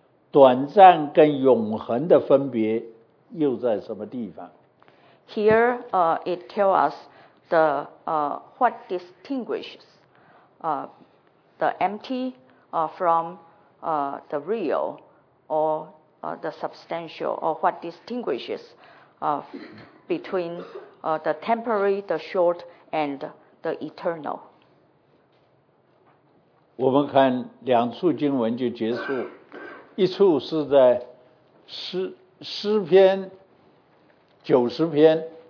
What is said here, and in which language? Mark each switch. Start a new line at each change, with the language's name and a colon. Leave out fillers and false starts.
Chinese: 短暂跟永恒的分别又在什么地方？
English: Here, it tells us the what distinguishes the empty from the real or the substantial, or what distinguishes between the temporary, the short, and the eternal.
Chinese: 我们看两处经文就结束，一处是在 诗篇九十篇。